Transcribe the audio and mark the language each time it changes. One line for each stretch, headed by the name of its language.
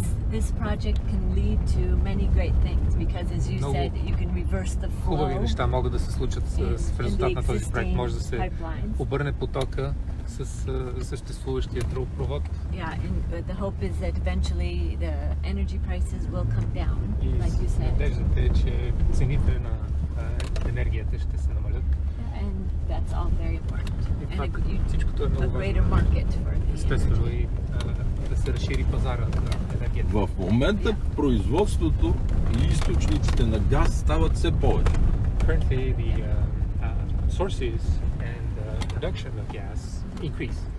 English: This project can lead to many great things because as you said you can reverse the flow.
Bulgarian: Хубави неща могат да се случат с резултат на този проект. Може да се обърне потока с съществуващия тръбопровод.
English: Yeah, and the hope is that eventually the energy prices will come down, like you said.
Bulgarian: Надеждата е, че цените на енергията ще се намалят.
English: And that's all very important.
Bulgarian: И пак всичкото е много важно.
English: A greater market for the energy.
Bulgarian: Естествено и да се разшири пазара на енергетика. В момента производството и източниците на газ стават все повече.
English: Currently the sources and production of gas increase.